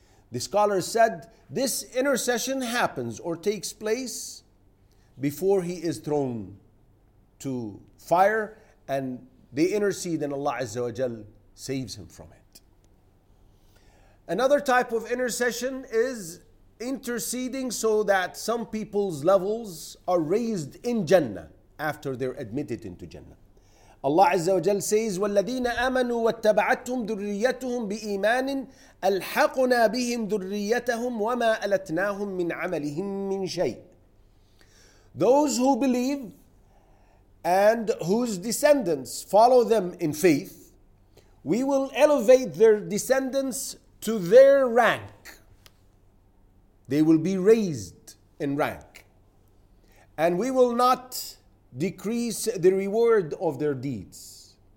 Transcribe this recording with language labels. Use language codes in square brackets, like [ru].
[en] The scholar said, this intercession happens or takes place before he is thrown to fire, and they intercede and Allah Azza wa Jal saves him from it. Another type of intercession is interceding so that some people's levels are raised in Jannah after they're admitted into Jannah. Allah Azza wa Jal says, [ar] وَالَّذِينَ آمَنُوا وَاتَّبَعَتْهُمْ ذُرِّيَّتُهُمْ بِإِيمَانٍ أَلْحَقْنَا بِهِمْ ذُرِّيَّتَهُمْ وَمَا أَلَتْنَاهُمْ مِنْ عَمَلِهِمْ مِنْ شَيْءٍ. [en] Those who believe and whose descendants follow them in faith, we will elevate their descendants to their rank. They will be raised in rank. And we will not decrease the reward of their deeds.